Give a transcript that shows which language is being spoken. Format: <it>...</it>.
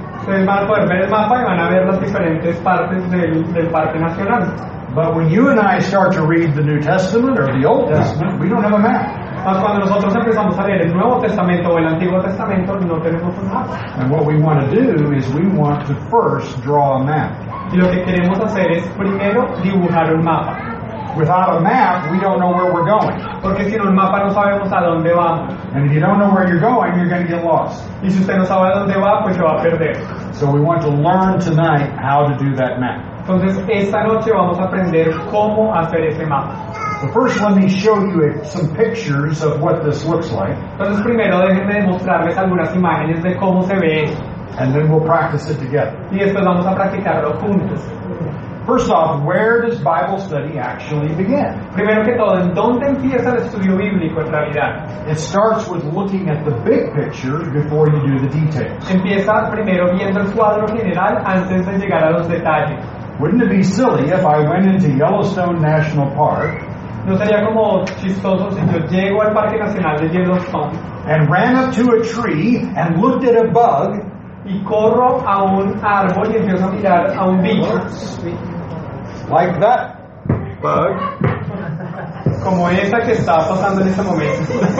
<es>Ustedes van a poder ver el mapa y van a ver las diferentes partes del Parque Nacional.</es> <en>But when you and I start to read the New Testament or the Old Testament, we don't have a map.</en> <es>Mas cuando nosotros empezamos a leer el Nuevo Testamento o el Antiguo Testamento, no tenemos un mapa.</es> <en>And what we want to do is we want to first draw a map.</en> <es>Y lo que queremos hacer es primero dibujar un mapa.</es> <en>Without a map, we don't know where we're going.</en> <es>Porque sin un mapa no sabemos a dónde vamos.</es> <en>And if you don't know where you're going, you're going to get lost.</en> <es>Y si usted no sabe a dónde va, pues se va a perder.</es> <en>So we want to learn tonight how to do that map.</en> <es>Entonces esta noche vamos a aprender cómo hacer ese mapa.</es> <en>So first, let me show you some pictures of what this looks like.</en> <es>Entonces primero déjenme mostrarles algunas imágenes de cómo se ve eso.</es> <en>And then we'll practice it together.</en> <es>Y después vamos a practicarlo juntos.</es> <en>First off, where does Bible study actually begin?</en> <es>Primero que todo, ¿en dónde empieza el estudio bíblico en realidad?</es> <en>It starts with looking at the big picture before you do the details.</en> <es>Empieza primero viendo el cuadro general antes de llegar a los detalles.</es> <en>Wouldn't it be silly if I went into Yellowstone National Park?</en> <es>No sería como chistoso si yo llego al Parque Nacional de Yellowstone</es> <en>and ran up to a tree and looked at a bug.</en> <es>Y corro a un árbol y empiezo a mirar a un bicho.</es> <en>Like that bug.</en> <es>Como esta que está pasando en este momento.</es>